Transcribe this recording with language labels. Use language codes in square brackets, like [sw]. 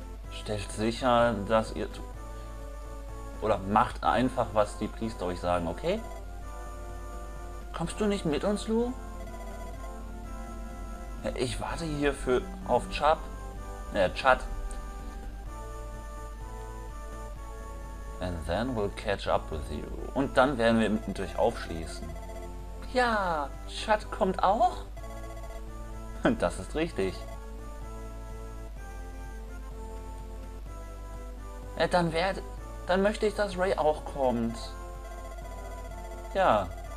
[de] Stellt sicher, dass ihr... Oder macht einfach, was die Priester euch sagen, okay? Kommst du nicht mit uns, Lou? Ich warte hier für auf Chad. Chad. [en] And then we'll catch up with you. [de] Und dann werden wir mit euch aufschließen. Ja, Chad kommt auch? Das ist richtig. Dann möchte ich, dass Ray auch kommt. Ja.